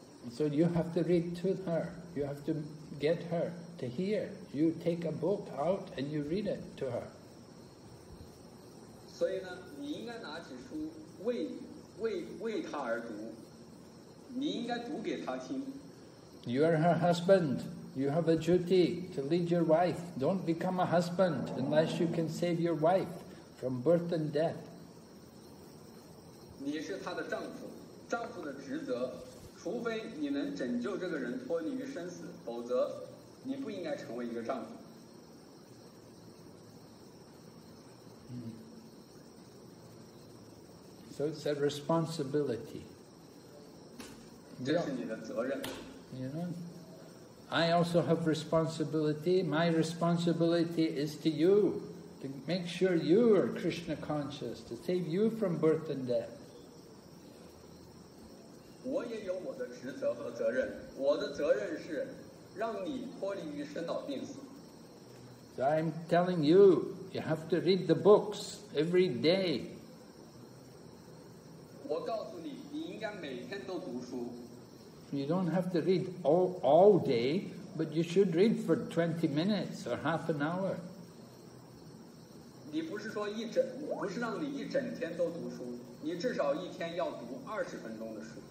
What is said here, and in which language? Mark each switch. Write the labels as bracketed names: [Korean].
[English] So you have to read to her. You have to get her to hear. You take a book out and you read it to her. [Chinese] 所以呢，你应该拿起书为她而读，你应该读给她听。 [English] You are her husband. You have a duty to lead your wife. Don't become a husband unless you can save your wife from birth and death. [Chinese] 你是她的丈夫，丈夫的职责，除非你能拯救这个人脱离于生死，否则你不应该成为一个丈夫。 [English] So it's a responsibility. [Chinese] 这是你的责任。 [English] You know. I also have responsibility. My responsibility is to you, to make sure you are Krishna conscious, to save you from birth and death. [Chinese] 我也有我的职责和责任。我的责任是让你脱离于生老病死。 [English] So I'm telling you, you have to read the books every day. [Chinese] 我告诉你，你应该每天都读书。 [English] You don't have to read all day, But you should read for 20 minutes or half an hour. [Chinese] 你不是说一整，不是让你一整天都读书，你至少一天要读二十分钟的书。